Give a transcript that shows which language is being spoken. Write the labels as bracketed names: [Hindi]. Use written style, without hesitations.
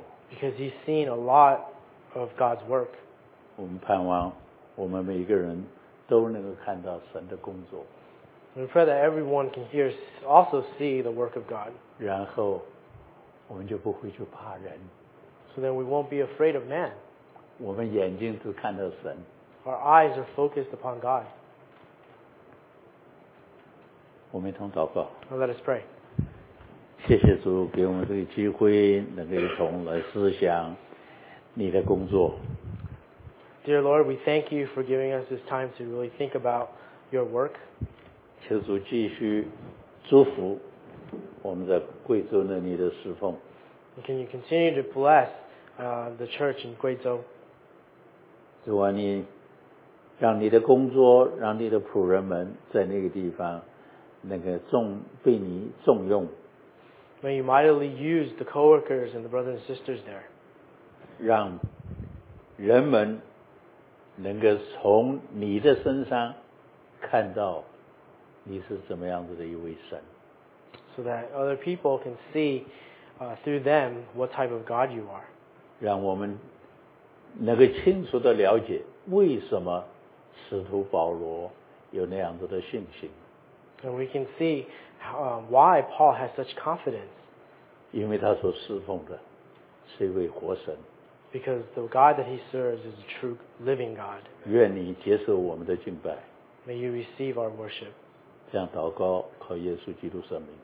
[English] Because he's seen a lot of God's work. [Chinese] 我们盼望我们每一个人都能够看到神的工作。 [English] We pray that everyone can hear also see the work of God. [Chinese] 然后我们就不会去怕人。 [English] So then we won't be afraid of man. [Chinese] 我们眼睛只看到神。 [English] Our eyes are focused upon God. [Chinese] 我们一同祷告。 [English] Let us pray. [Chinese] 谢谢主给我们这个机会能够一同来思想你的工作。 [English] Dear Lord, we thank you for giving us this time to really think about your work. [Chinese] 求主继续祝福我们在贵州那里的侍奉。 [English] Can you continue to bless the church in Guizhou? [Chinese] 主啊，你让你的工作，让你的仆人们在那个地方能够被你重用。 [English] May you mightily use the co-workers and the brothers and sisters there. [Chinese] 让人们能够从你的身上看到你是怎么样子的一位神。 [English] So that other people can see through them what type of God you are. [Chinese] 让我们能够清楚地了解为什么使徒保罗有那样子的信心。 [English] And we can see why Paul has such confidence. [Chinese] 因为他所侍奉的是一位活神。 [English] Because the God that he serves is a true living God. [Chinese] 愿你接受我们的敬拜。 [English] May you receive our worship. [Chinese] 这样祷告靠耶稣基督圣名。